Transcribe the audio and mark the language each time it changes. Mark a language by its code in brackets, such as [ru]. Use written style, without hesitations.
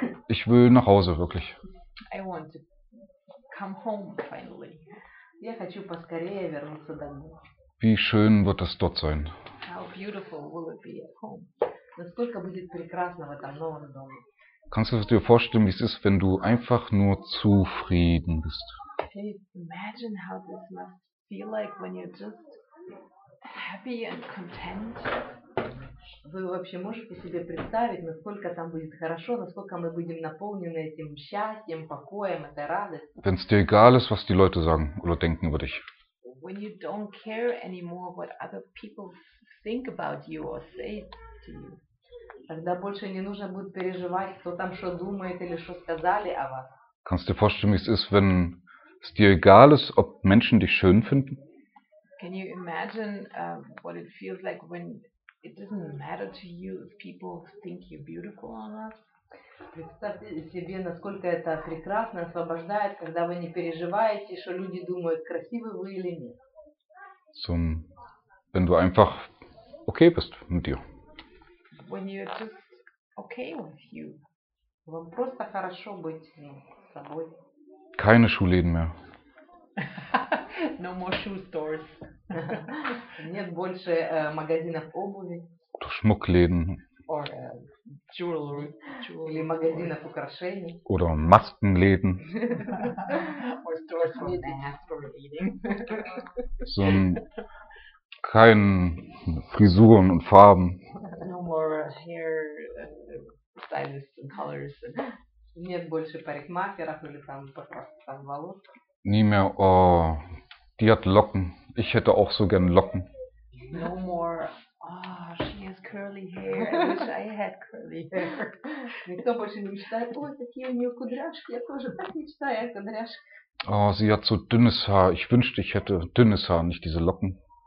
[de] Ich will nach Hause, wirklich. [en] I want to come home, finally. [ru] Я хочу поскорее вернуться домой. [de] Wie schön wird es dort sein? [en] How beautiful will it be at home? [ru] Насколько будет прекрасно в этом новом доме? [de] Kannst du dir vorstellen, wie es ist, wenn du einfach nur zufrieden bist? [en] Can you imagine how this must feel like when you're just happy and content? [ru] Вы вообще можете себе представить, насколько там будет хорошо, насколько мы будем наполнены этим счастьем, покоем, этой радостью? [de] Wenn es dir egal ist, was die Leute sagen oder denken über dich. [en] When you don't care anymore what other people think about you or say to you. [ru] Тогда больше не нужно будет переживать, кто там что думает или что сказали о вас. [de] Kannst du dir vorstellen, wie es ist, wenn es dir egal ist, ob Menschen dich schön finden? [en] Can you imagine what it feels like when it doesn't matter to you if people think you're beautiful or not? [ru] Представьте себе, насколько это прекрасно освобождает, когда вы не переживаете, что люди думают, красивы вы или нет. [de] So, wenn du einfach okay bist mit dir. [en] When you're just okay with you. [ru] Вам просто хорошо быть собой. [de] Keine Schuhläden mehr. [en] No more shoe stores. [ru] Нет больше магазинов обуви. [de] Schmuckläden. [en] Or jewelry. [ru] Или магазинов украшений. [de] Oder Maskenläden. [en] Or stores for masks for eating. [de] So ein kein Frisuren und Farben. [en] No more hair stylists and colors. [ru] Нет больше парикмахеров или там волос. [de] Не mehr, oh, die hat Locken. Ich hätte auch so gern Locken. [en] No more, oh, she has curly hair. I wish I had curly hair. [ru] Никто больше не мечтает. Ой, такие у нее кудряшки. Я тоже так мечтаю о кудряшках. [de] Oh, sie hat so dünnes Haar. Ich wünschte, ich hätte dünnes Haar, nicht diese Locken.